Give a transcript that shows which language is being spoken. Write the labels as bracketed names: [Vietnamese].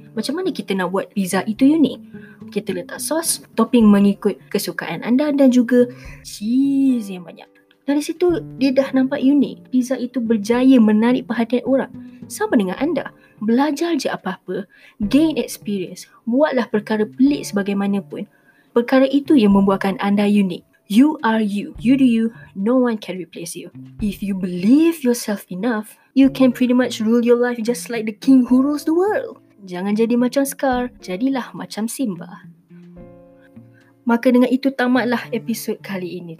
[Malay] Macam mana kita nak buat pizza itu unik? Kita letak sos, topping mengikut kesukaan anda dan juga cheese yang banyak. Dari situ, dia dah nampak unik. Pizza itu berjaya menarik perhatian orang. Sama dengan anda. Belajar je apa-apa. [English] Gain experience. [Malay] Buatlah perkara pelik sebagaimanapun. Perkara itu yang membuatkan anda unik. [English] You are you. You do you. No one can replace you. If you believe yourself enough, you can pretty much rule your life just like the king who rules the world. [Malay] Jangan jadi macam Scar, jadilah macam Simba. Maka dengan itu tamatlah episod kali ini.